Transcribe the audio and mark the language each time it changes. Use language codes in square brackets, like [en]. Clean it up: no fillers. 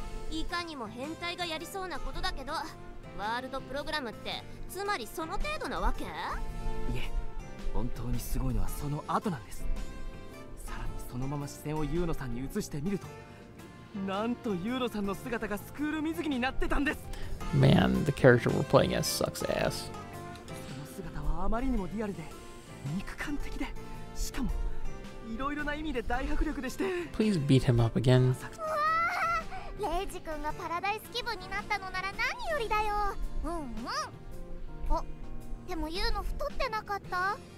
[ja] いかにも変態がやりそうなことだけど、ワールドプログラムってつまりその程度なわけ？いえ、本当にすごいのはその後なんです。さらにそのまま視線をユーノさんに移してみると、なんとユーノさんの姿がスクール水着になってたんです。 [en] Man, the character we're playing as sucks ass。 [ja] その姿はあまりにもリアルで。肉感的で、しかもいろいろな意味で大迫力でして。 [en] Please beat him up again。 [ja] うわー、レイジ君がパラダイス気分になったのなら何よりだよ。うんうん。お、でもユーノ太ってなかった？